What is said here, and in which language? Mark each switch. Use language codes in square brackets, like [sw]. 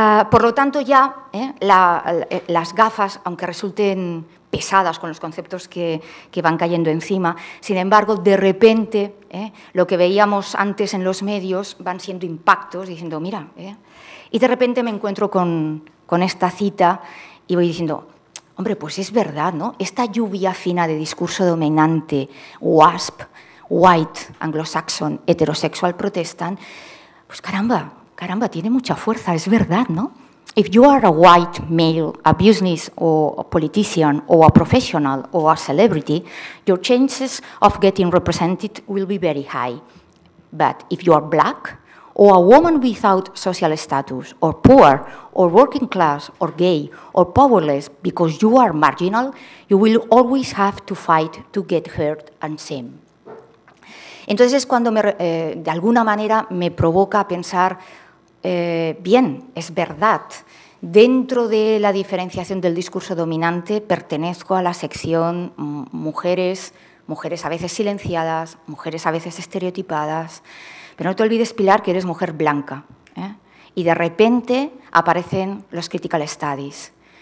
[es] Por lo tanto, ya las gafas, aunque resulten pesadas con los conceptos que van cayendo encima, sin embargo, de repente, lo que veíamos antes en los medios van siendo impactos, diciendo, mira, y de repente me encuentro con esta cita y voy diciendo, hombre, pues es verdad, ¿no? Esta lluvia fina de discurso dominante, WASP, [en] white, anglosaxon, heterosexual, protestant, [es] pues caramba, caramba, tiene mucha fuerza, es verdad, ¿no? [en] If you are a white male, a business or a politician or a professional or a celebrity, your chances of getting represented will be very high. But if you are black or a woman without social status or poor or working class or gay or powerless because you are marginal, you will always have to fight to get heard and seen. [es] Entonces es cuando de alguna manera me provoca a pensar, bien, es verdad, dentro de la diferenciación del discurso dominante pertenezco a la sección mujeres, mujeres a veces silenciadas, mujeres a veces estereotipadas, pero no te olvides, Pilar, que eres mujer blanca, y de repente aparecen los critical studies.